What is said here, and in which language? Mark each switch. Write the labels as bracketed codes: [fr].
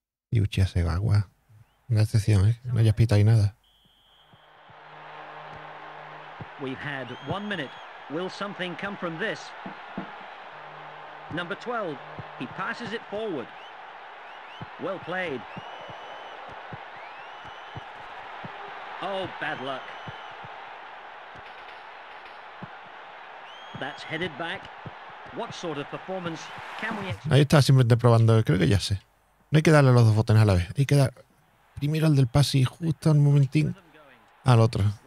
[es] Y Uchiha se va, agua. Una excepción, ¿eh? No hayas pitado ahí nada. [en] We've had 1 minute. Will something come from this? Number 12. He passes it forward. Well played. Oh, bad luck. That's headed back. What sort of performance can we expect? [es] Ahí está, simplemente probando. Creo que ya sé. No hay que darle los dos botones a la vez. Hay que dar primero al del pase y justo un momentín al otro.